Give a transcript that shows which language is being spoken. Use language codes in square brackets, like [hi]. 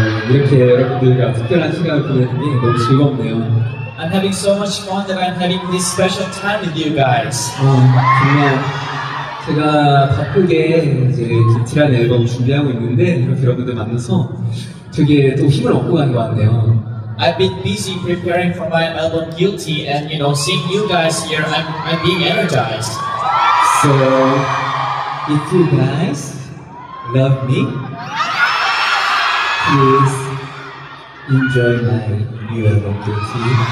[ko] 이렇게 여러분들과 특별한 시간을 보내는 게 너무 즐겁네요. [en] I'm having so much fun that I'm having this special time with you guys. [ko] 정말 제가 바쁘게 이제 기틀한 앨범 준비하고 있는데 이렇게 여러분들 만나서 되게 또 힘을 얻고 가는 것 같네요. [en] I've been busy preparing for my album Guilty and you know seeing you guys here I'm being energized. So if you guys love me, please enjoy my new album Guilty.